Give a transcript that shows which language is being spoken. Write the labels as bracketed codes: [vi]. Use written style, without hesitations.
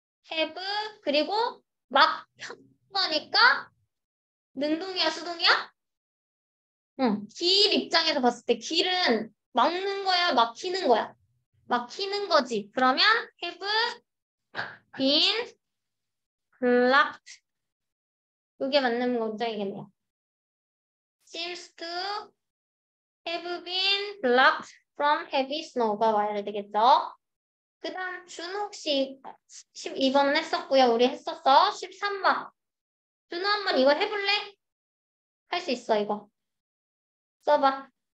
[ko] have, 그리고 막혔던 거니까 능동이야, 수동이야? 응. 길 입장에서 봤을 때 길은 막는 거야, 막히는 거야? 막히는 거지. 그러면 [en] have been locked. [ko] 이게 맞는 문장이겠네요. [en] Seems to have been blocked from heavy snow [ko] 가 와야 되겠죠? 그 다음 준 혹시 12번 했었고요. 우리 했었어. 13번. 준 한번 이거 해볼래? 할 수 있어 이거. 써봐.